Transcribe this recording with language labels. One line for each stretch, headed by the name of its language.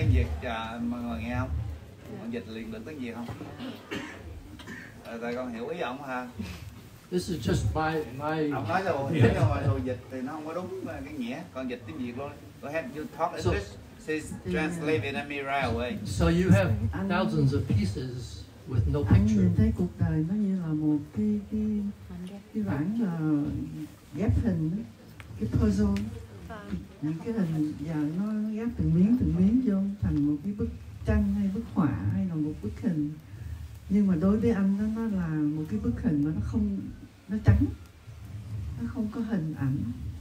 Vietnamese: Con dịch tiếng Việt, mọi người nghe không? Con dịch liền lực tiếng Việt không? Tại con hiểu ý ông ha?
English: This is just my...
Vietnamese: Ông nói là hồi dịch thì nó không có đúng cái nghĩa. Con dịch tiếng Việt luôn.
English: Go ahead, you talk in English. It says translate Vietnamese right away. So you have thousands of pieces with no picture.
Vietnamese: Anh nhìn thấy cuộc đời nó như là một cái bản ghép hình, cái puzzle, những cái hình và nó ghép từng miếng vô thành một cái bức tranh hay bức họa hay là một bức hình. Nhưng mà đối với anh nó là một cái bức hình mà nó trắng, nó không có hình ảnh.